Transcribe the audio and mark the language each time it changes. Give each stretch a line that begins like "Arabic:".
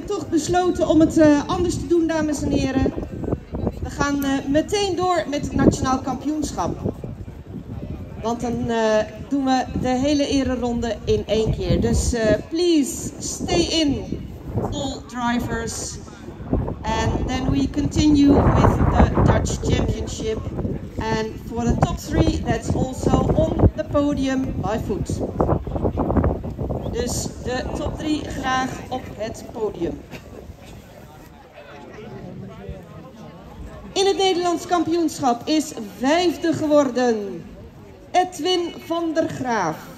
Dutch: Besloten om het anders te doen, dames en heren. We gaan meteen door met het nationaal kampioenschap. Want dan doen we de hele ereronde in één keer.
English: Dus please stay in, all drivers. And then we continue with the Dutch championship. And for the top three, that's also on the podium by foot.
Dutch: Dus de top drie graag op het podium. In het Nederlands kampioenschap is vijfde geworden Edwin van der Graaf.